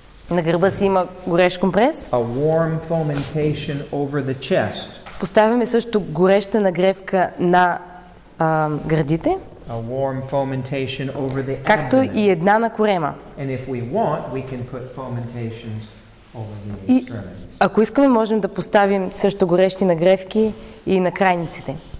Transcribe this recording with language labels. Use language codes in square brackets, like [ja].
[bg] На гърба си има горещ компрес. [en] A warm fomentation over the chest. [bg] Поставяме също гореща нагревка на гърдите. [en] A warm fomentation over the abdomen. [bg] Както и една на корема. [en] And if we want, we can put fomentations. [bg] И ако искаме, можем да поставим също горещи нагревки и на крайниците.